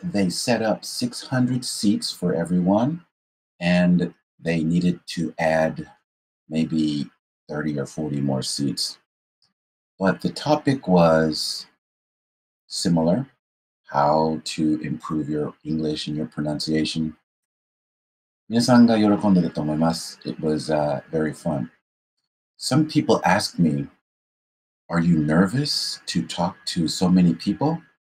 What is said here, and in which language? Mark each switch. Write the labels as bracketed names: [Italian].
[English] They set up 600 seats for everyone. And they needed to add maybe 30 or 40 more seats. But the topic was similar, how to improve your English and your pronunciation. [Japanese] 皆さんが喜んでると思います. [English] It was very fun. Some people ask me, are you nervous to talk to so many people?